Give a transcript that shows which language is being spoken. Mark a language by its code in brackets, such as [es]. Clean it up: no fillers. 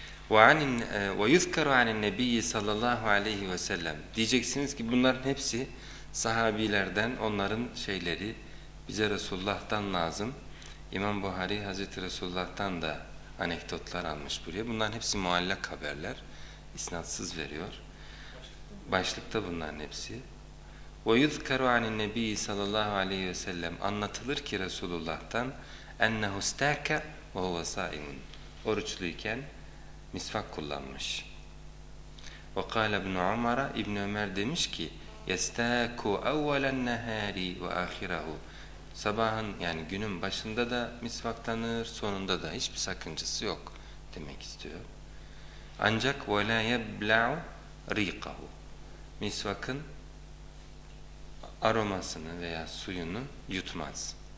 [ar] وَيُذْكَرُ عَنِ النَّبِيِّ صَلَى اللّٰهُ عَلَيْهِ وَسَلَّمْ [tr] diyeceksiniz ki bunların hepsi sahabilerden, onların şeyleri bize Resulullah'tan lazım. İmam Buhari Hazreti Resulullah'tan da anekdotlar almış buraya. Bunların hepsi muallak haberler. İsnatsız veriyor. Başlıkta bunların hepsi. [ar] وَيُذْكَرُ عَنِ النَّبِيِّ صَلَى اللّٰهُ عَلَيْهِ وَسَلَّمْ [tr] anlatılır ki Resulullah'tan [ar] اَنَّهُ سْتَاكَ وَهُوَ سَائِمٌ [tr] oruçluyken misvak kullanmış. [ar] وَقَالَ اِبْنُ عُمَرَ [tr] İbn Ömer demiş ki [ar] يَسْتَاكُ اَوَّلَ النَّهَارِ وَآخِرَهُ [tr] sabahın yani günün başında da misvaklanır, sonunda da hiçbir sakıncası yok demek istiyor. Ancak [ar] وَلَا يَبْلَعُ رِيقَهُ [tr] misvakın aromasını veya suyunu yutmaz.